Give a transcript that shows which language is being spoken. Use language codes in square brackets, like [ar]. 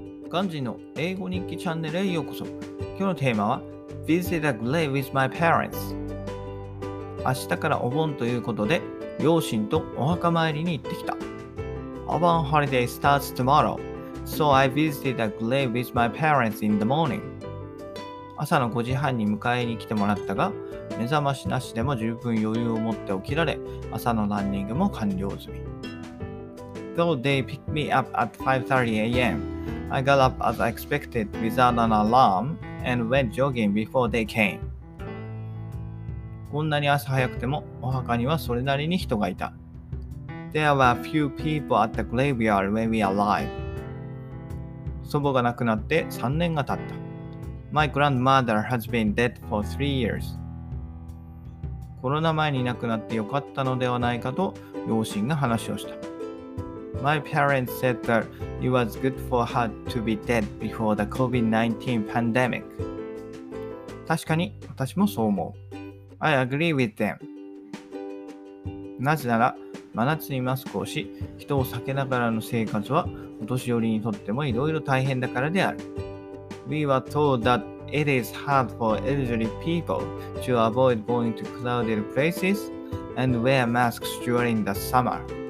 [ja] ガンジーの英語日記チャンネルへようこそ。今日のテーマは [en] Visit a grave with my parents。 [ja] 明日からお盆ということで両親とお墓参りに行ってきた。 [en] Our holiday starts tomorrow, so I visited a grave with my parents in the morning。 [ja] 朝の5時半に迎えに来てもらったが、目覚ましなしでも十分余裕を持って起きられ、朝のランニングも完了済み。 [en] Though they picked me up at 5:30 a.m, I got up as expected without an alarm and went jogging before they came. [ja] こんなに朝早くてもお墓にはそれなりに人がいた。 [en] There were a few people at the graveyard when we arrived. [ja] 祖母が亡くなって3年が経った。 [en] My grandmother has been dead for 3 years. [ja] コロナ前に亡くなってよかったのではないかと両親が話をした。 [en] My parents said that it was good for her to be dead before the COVID-19 pandemic. [ja] 確かに私もそう思う。 [en] I agree with them. [ja] なぜなら真夏にマスクをし、人を避けながらの生活はお年寄りにとってもいろいろ大変だからである。 [en] We were told that it is hard for elderly people to avoid going to crowded places and wear masks during the summer.